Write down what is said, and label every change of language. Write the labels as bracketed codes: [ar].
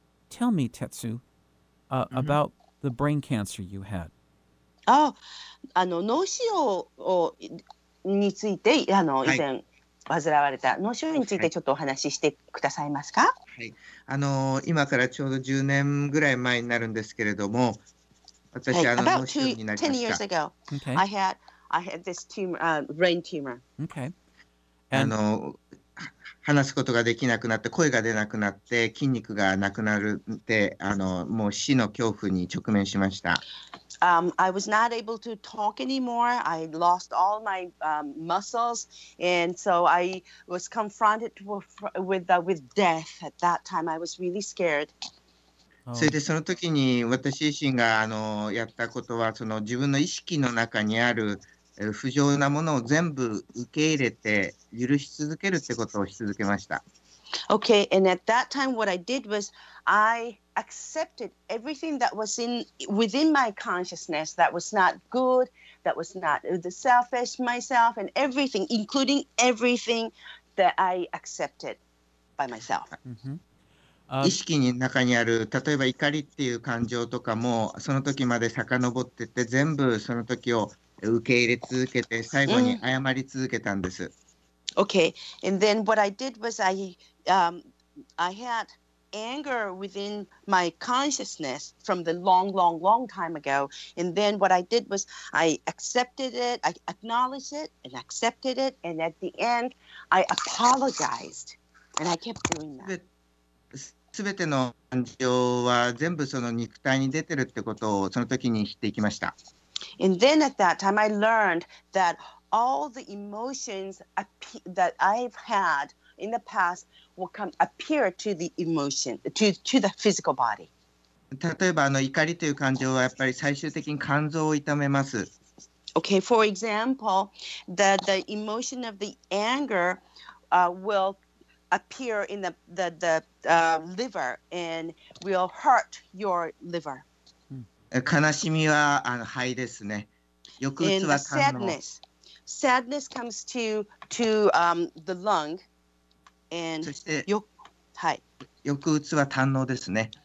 [en] Tell me, Tetsu, about the brain cancer you had. [ja] Oh, あの脳腫瘍をについてあの以前患われた脳腫瘍についてちょっとお話ししてくださいますか。はい。あの今からちょうど10年ぐらい前になるんですけれども、私はい、あの脳腫瘍になりました。 [en] About 10 years ago, I had this tumor, brain tumor. Okay. [ja] あの話すことができなくなって、声が出なくなって、筋肉がなくなるって、あのもう死の恐怖に直面しました。 [en] I was not able to talk anymore. I lost all my muscles, and so I was confronted with death. At that time, I was really scared. [ja] それでその時に私自身があのやったことはその自分の意識の中にある不浄なものを全部受け入れて許し続けるってことをし続けました。 [en] Okay, and at that time what I did was I accepted everything that was within my consciousness that was not good, that was not the selfish myself and everything, including everything that I accepted by myself. Mm-hmm. [ja] 意識の中にある例えば怒りっていう感情とかもその時まで遡ってって全部その時を受け入れ続けて最後に謝り続けたんです。 [en] Okay, and then what I did was I had anger within my consciousness from the long, long, long time ago. And then what I did was I accepted it, I acknowledged it and accepted it. And at the end, I apologized and I kept doing that. [ja] 全ての感情は全部その肉体に出てるってことをその時に知っていきました。 [en] And then at that time I learned that all the emotions that I've had in the past will come appear to the emotion, to the physical body. [ja] 例えばあの怒りという感情はやっぱり最終的に肝臓を痛めます。 [en] Okay, for example, the emotion of the anger, will appear in the liver and will hurt your liver. [ja] 悲しみはあの肺ですね。抑うつは肝の。 [en] Sadness comes to the lung and [ja] そして抑うつは胆のですね。